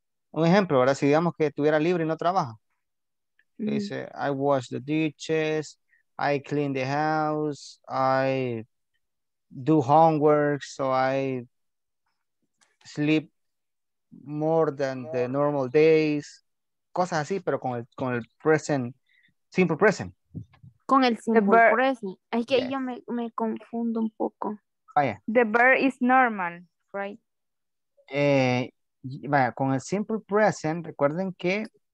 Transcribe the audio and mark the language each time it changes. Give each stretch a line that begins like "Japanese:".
Spanish: Un ejemplo, ahora si digamos que estuviera libre y no trabaja. Mm-hmm. Dice,
English: I wash the dishes, I clean the house, I do homework, so I sleep more than the normal days.
Spanish: Cosas así, pero con el present, simple present. Con el simple present. Es que yo me confundo un poco. Vaya.
English: The verb is normal, right?
Spanish: Vaya, con el simple present, recuerden que...